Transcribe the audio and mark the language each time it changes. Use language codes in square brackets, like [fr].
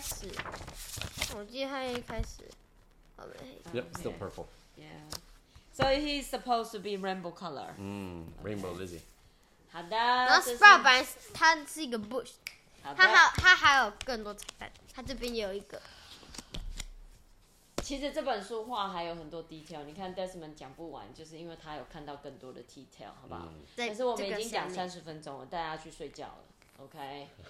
[zh] 它只有紫色，但是它在。没有，你看它一开始，我记得它一开始。 [en] Yep, still purple. Yeah. So he's supposed to be rainbow color. Mm, rainbow Lizzie. [zh] 好的。然后Sprout本来它是一个 bush， 它还有更多彩蛋，它这边也有一个。其实这本书画还有很多 detail， 你看 Desmond 讲不完，就是因为他有看到更多的 detail， 好不好？但是我们已经讲30分钟了，大家去睡觉了 ，OK？